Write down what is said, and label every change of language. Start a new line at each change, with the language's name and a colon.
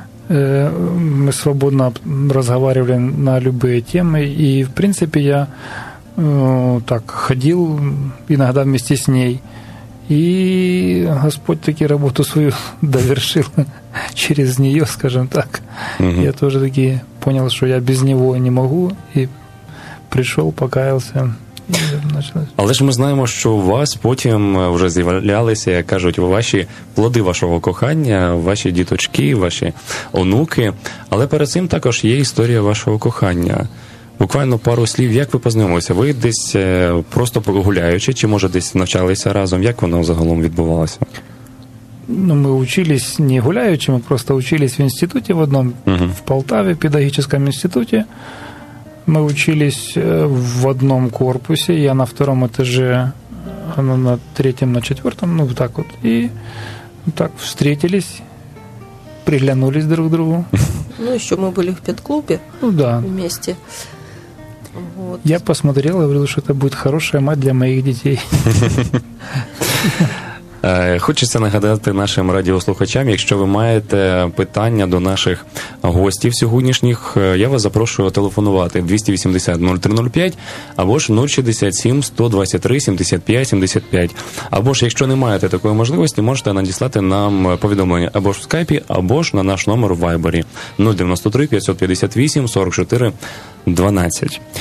Russian: Мы свободно разговаривали на любые темы, и, в принципе, я так ходил иногда вместе с ней, и Господь таки работу свою довершил через нее, скажем так. Я тоже таки понял, что я без него не могу, и пришел, покаялся.
Ukrainian: Але ж ми знаємо, що у вас потім вже з'являлися, як кажуть, ваші плоди вашого кохання, ваші діточки, ваші онуки. Але перед цим також є історія вашого кохання. Буквально пару слів, як ви познайомилися? Ви десь просто гуляючи, чи може десь навчалися разом? Як воно загалом відбувалося? Ну, ми вчились не гуляючи, ми просто вчились в інституті в одному, в Полтаві, в педагогічному інституті.
Russian: Мы учились в одном корпусе, я на втором этаже, она на третьем, на четвертом, ну, вот так вот. И так встретились, приглянулись друг к другу. Ну, еще мы были в педклубе. Ну, да. Вместе. Вот. Я посмотрел, говорил, что это будет хорошая мать для моих детей.
Ukrainian: Хочеться нагадати нашим радіослухачам, якщо ви маєте питання до наших гостів сьогоднішніх, я вас запрошую телефонувати 280-0305 або ж 067-123-75-75. Або ж, якщо не маєте такої можливості, можете надіслати нам повідомлення або ж в скайпі, або ж на наш номер в вайбері 093-558-44-12.